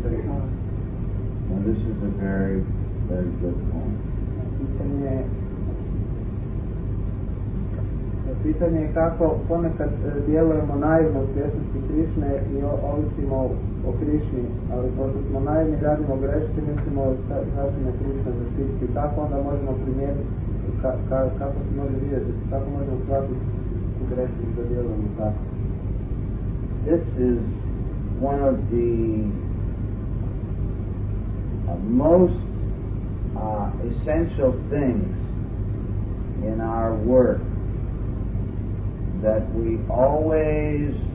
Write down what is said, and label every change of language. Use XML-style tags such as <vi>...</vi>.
<en>And this is a very, very good point.</en> <hr>Pitanje je kako ponekad djelujemo naivno u svjesnosti Krišne i ovisimo o Krišni, ali pošto smo naivni, radimo greške, mislimo da tražimo Krišna za svjetski. Kako onda možemo primijetiti, kako se može vidjeti, kako možemo shvatiti greške da djelujemo tako?</hr> <en>This is one of the most essential things in our work, that we always</en>